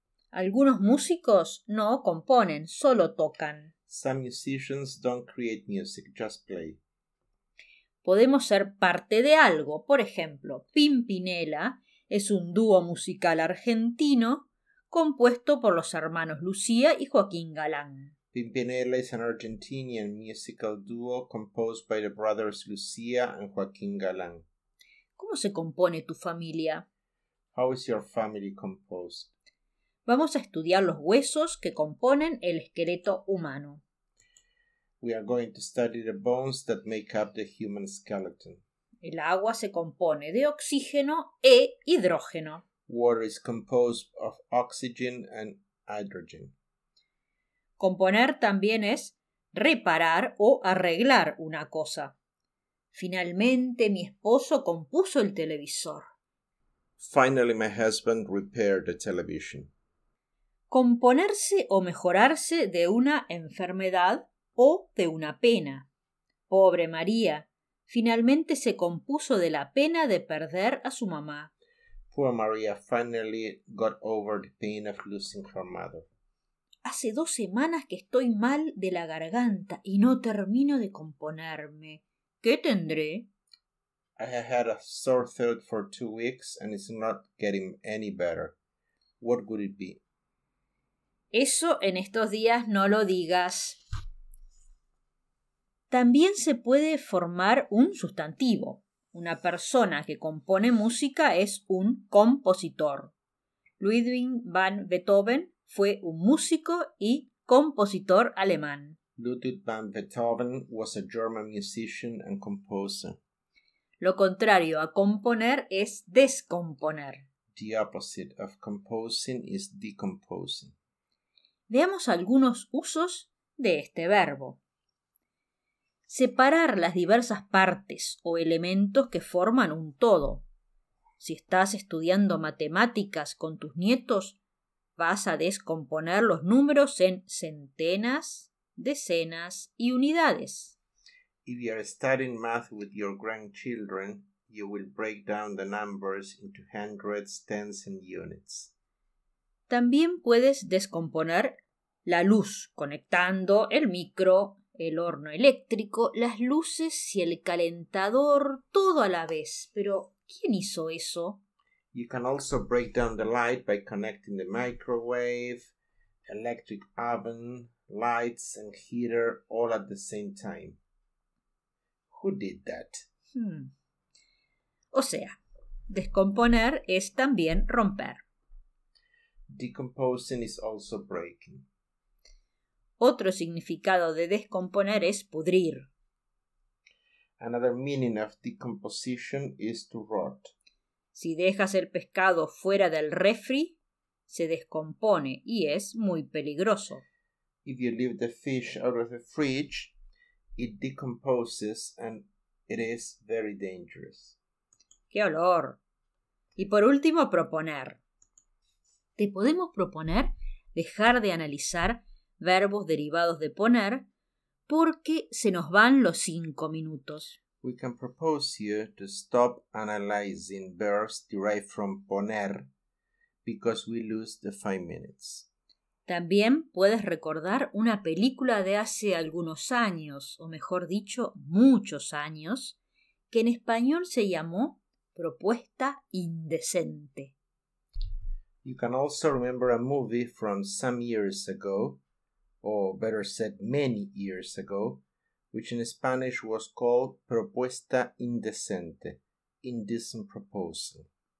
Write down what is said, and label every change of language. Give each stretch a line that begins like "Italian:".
Spanish: Algunos músicos no componen, solo tocan.
English: Some musicians don't create music, just play.
Spanish: Podemos ser parte de algo. Por ejemplo, Pimpinela es un dúo musical argentino compuesto por los hermanos Lucía y Joaquín Galán.
English: Pimpinela is an Argentinian musical duo composed by the brothers Lucía and Joaquín Galán.
Spanish: ¿Cómo se compone tu familia?
English: How is your family composed?
Spanish: Vamos a estudiar los huesos que componen el esqueleto humano.
English: We are going to study the bones that make up the human skeleton.
Spanish: El agua se compone de oxígeno e hidrógeno.
English: Water is composed of oxygen and hydrogen.
Spanish: Componer también es reparar o arreglar una cosa. Finalmente, mi esposo compuso el televisor.
English: Finally, my husband repaired the television.
Spanish: Componerse o mejorarse de una enfermedad o de una pena. Pobre María, finalmente se compuso de la pena de perder a su mamá.
English: Poor Maria finally got over the pain of losing her mother.
Spanish: Hace 2 semanas que estoy mal de la garganta y no termino de componerme. ¿Qué tendré?
English: I have had a sore throat for 2 weeks and it's not getting any better. What could it be?
Spanish: Eso en estos días no lo digas. También se puede formar un sustantivo. Una persona que compone música es un compositor. Ludwig van Beethoven fue un músico y compositor alemán.
English: Ludwig van Beethoven was a German musician and composer.
Spanish: Lo contrario a componer es descomponer.
English: The opposite of composing is decomposing.
Spanish: Veamos algunos usos de este verbo. Separar las diversas partes o elementos que forman un todo. Si estás estudiando matemáticas con tus nietos, vas a descomponer los números en centenas, decenas y unidades.
English: If you are studying math with your grandchildren, you will break down the numbers into hundreds, tens and units.
Spanish: También puedes descomponer la luz conectando el micro, el horno eléctrico, las luces y el calentador, todo a la vez. Pero, ¿quién hizo eso?
English: You can also break down the light by connecting the microwave, electric oven, lights and heater all at the same time. Who did that?
Spanish: O sea, descomponer es también romper.
English: Decomposing is also breaking.
Spanish: Otro significado de descomponer es pudrir.
English: Another meaning of decomposition is to rot.
Spanish: Si dejas el pescado fuera del refri, se descompone y es muy peligroso.
English: If you leave the fish out of the fridge, it decomposes and it is very dangerous.
Spanish: ¡Qué olor! Y por último, proponer. Te podemos proponer dejar de analizar verbos derivados de poner porque se nos van los 5 minutos.
English: We can propose you to stop analyzing verbs derived from poner because we lose the 5 minutes.
Spanish: También puedes recordar una película de hace algunos años, o mejor dicho, muchos años, que en español se llamó Propuesta Indecente.
English: You can also remember a movie from some years ago, or better said, many years ago, which in Spanish was called Propuesta Indecente, Indecent Proposal.